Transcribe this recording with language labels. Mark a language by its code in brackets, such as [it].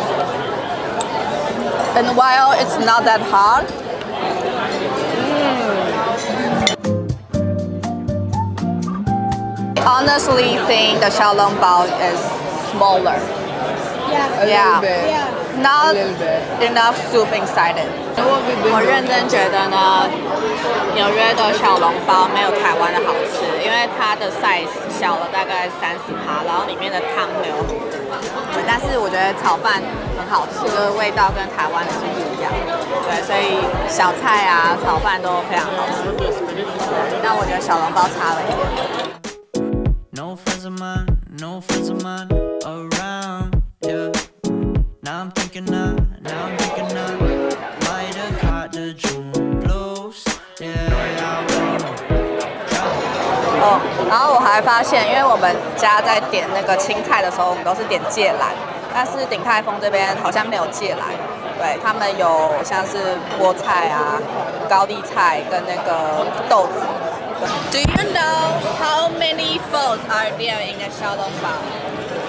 [en] And while it's not that hot,Honestly, think the xiaolongbao is smaller. Yeah. A little bit. Not enough soup inside it. [zh] 我认真觉得呢，纽约的小笼包没有台湾的好吃，因为它的 size 小了大概30%，然后里面的汤没有很多。但是我觉得炒饭很好吃，就是味道跟台湾的是不一样。对，所以小菜啊、炒饭都非常好吃。那我觉得小笼包差了一点。 [en] No friends of mine, no friends of mine around, yeah. Now I'm thinking I might have caught the June blues, yeah. I wanna drop. [zh] Oh, 然后我还发现，因为我们家在点那个青菜的时候，我们都是点芥蓝，但是鼎泰丰这边好像没有芥蓝。对，他们有像是菠菜啊、高丽菜跟那个豆子。 [en] Do you know how many folds are there in a xiaolongbao?